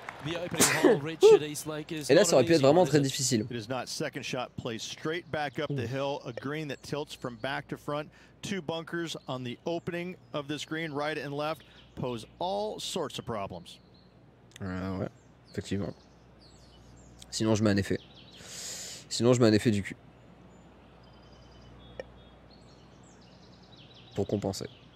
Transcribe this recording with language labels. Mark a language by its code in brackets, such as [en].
[fr] Et là, ça aurait pu être vraiment très difficile. [en] It is not second shot plays straight back up the hill, a green that tilts from back to front, two bunkers on the opening of this green, right and left, pose all sorts of problems. [fr] Ouais, effectivement. Sinon, je mets un effet. Sinon, je mets un effet du cul pour compenser.